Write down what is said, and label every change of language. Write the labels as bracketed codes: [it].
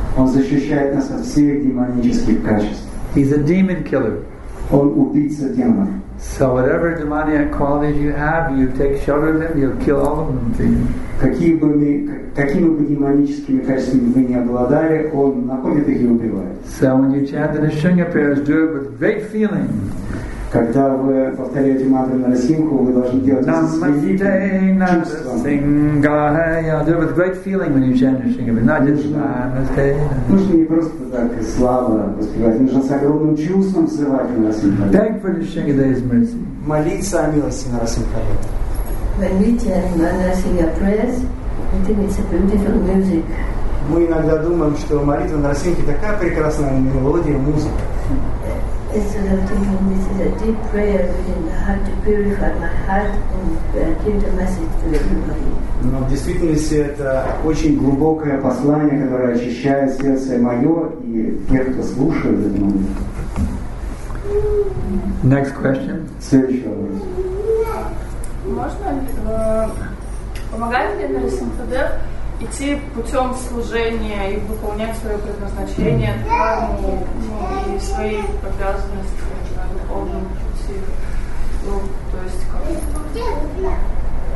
[ru] Он защищает нас от всех демонических качеств. [en] He's a demon killer. [ru] Он убийца демонов. [en] So whatever demoniac qualities you have, you take shelter of them, you'll kill all of them. [ru] Какими бы демоническими качествами вы не обладали, он находит их и убивает. [en] So when you chant the Nrsimha prayers, do it with great feeling. [ru] Когда вы повторяете мантру на Нрсимху, вы должны делать это с великим чувством. [en] Do it with great feeling when you chant Nrsimha, but not just Namaste. [ru] Нужно не просто так слава воспевать, нужно с огромным чувством взывать на Нрсимха. [en] Thank for Nrsimhadev's mercy. [ru] Молиться о милости на Нрсимха. [en] When we chant Nrsimha prayers, we think it's a beautiful music. [ru] Мы иногда думаем, что молитва на Нрсимхе такая прекрасная мелодия, музыка. [en] It's sort of thinking this is a deep prayer within the heart to purify my heart and give the message to everybody. [ru] Но в действительности это очень глубокое послание, которое очищает сердце мое и тех, кто слушает это мое. [en] Next question. [ru] Следующий вопрос. Можно помогает ли Нрсимхадев идти путем служения и выполнять свое предназначение, карму, ну, и свои обязанности должен идти, ну, то есть как?